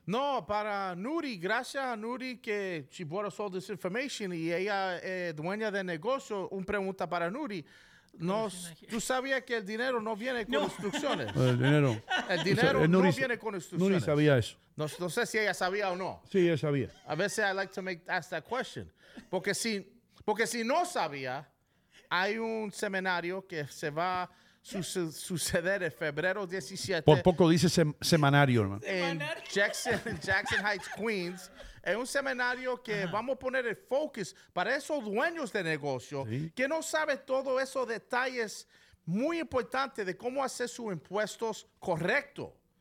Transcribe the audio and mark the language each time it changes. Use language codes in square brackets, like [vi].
[es] No, para Nuri. Gracias a Nuri que [en] she brought us all this information. [es] Y ella, dueña de negocio, una pregunta para Nuri. No, tú sabías que el dinero no viene con instrucciones. El dinero no viene con instrucciones. Nuri sabía eso. No, no sé si ella sabía o no. Sí, ella sabía. A veces [en] I like to ask that question. [es] Porque si no sabía, hay un seminario que se va a suceder en febrero 17. Por poco dice semanario, hermano. En Jackson Heights, Queens. Es un seminario que vamos a poner el focus para esos dueños de negocio que no saben todos esos detalles muy importantes de cómo hacer sus impuestos correcto.